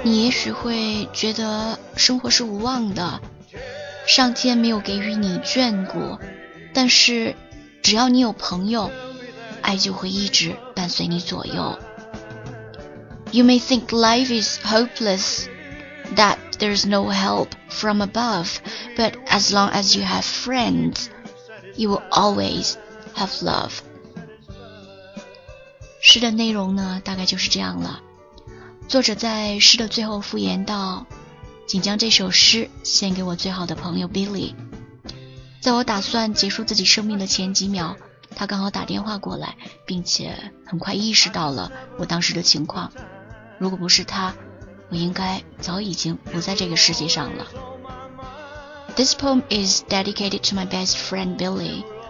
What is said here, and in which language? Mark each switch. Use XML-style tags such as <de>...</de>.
<zh>许会觉得生活是无望的，上天没有给予你眷顾，但是只要你有朋友，爱就会一直伴随你左右。</zh> <en>You may think life is hopeless, that there's no help from above, but as long as you have friends, you will always have love.</en> <zh>诗的内容呢，大概就是这样了。作者在诗的最后附言道，请将这首诗献给我最好的朋友 Billy。在我打算结束自己生命的前几秒，他刚好打电话过来，并且很快意识到了我当时的情况。如果不是他，我应该早已经不在这个世界上了。</zh> <en>This poem is dedicated to my best friend Billy.</en>